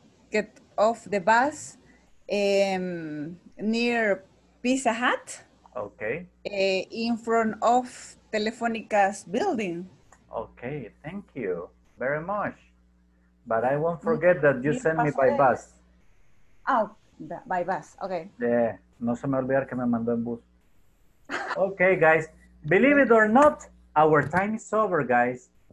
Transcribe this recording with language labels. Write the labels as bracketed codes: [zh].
[en] Get off the bus near Pizza Hut. Okay. In front of Telefonica's building. Okay, thank you very much. But I won't forget that you sent me by bus. Oh, by bus, okay. [es] Yeah, no se me olvidar que me mandó en bus. [en] Okay, guys, believe it or not, our time is over, guys.